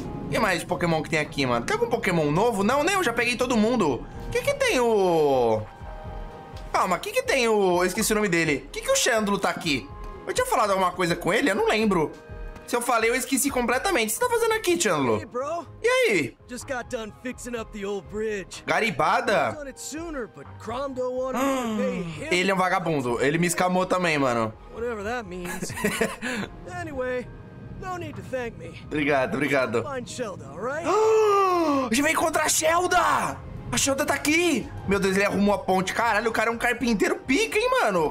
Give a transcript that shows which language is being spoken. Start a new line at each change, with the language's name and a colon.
Portuguese: O que mais Pokémon que tem aqui, mano? Tem algum Pokémon novo? Não, nem eu já peguei todo mundo. O que que tem o... Calma, o que que tem o... Eu esqueci o nome dele. O que que o Chandlo tá aqui? Eu tinha falado alguma coisa com ele? Eu não lembro. Se eu falei, eu esqueci completamente. O que você tá fazendo aqui, Chandlo?
English: Hey, bro.
Portuguese: E aí?
English: Just got done fixing up the old bridge.
Portuguese: Garibada?
English: Sooner, but Crom don't want to pay him.
Portuguese: Ele é um vagabundo. Ele me escamou também, mano.
English: Whatever that means. Anyway... No need to thank me.
Portuguese: Obrigado, obrigado.
English: Find Shelda, right?
Portuguese: A gente vai encontrar a Shelda! A Shelda tá aqui! Meu Deus, ele arrumou a ponte. Caralho, o cara é um carpinteiro pica, hein, mano?